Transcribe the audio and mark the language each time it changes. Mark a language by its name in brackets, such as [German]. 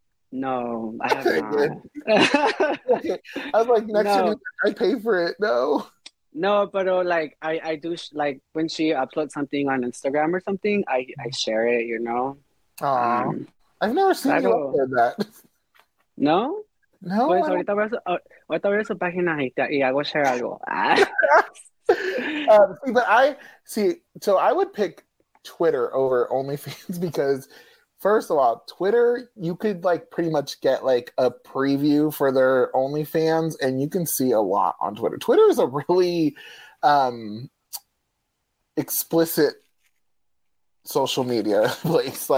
[English] No, I have not. Okay. I was like, next year I pay for it. No. No, but like I do like when she uploads something on Instagram or something, I share it, you know? I've never seen you upload that. No? No. [Spanish] Pues ahorita voy a su página y hago share algo. [English] So I would pick Twitter over OnlyFans because, first of all, Twitter, you could like pretty much get like a preview for their OnlyFans and you can see a lot on Twitter. Twitter is a really explicit social media place.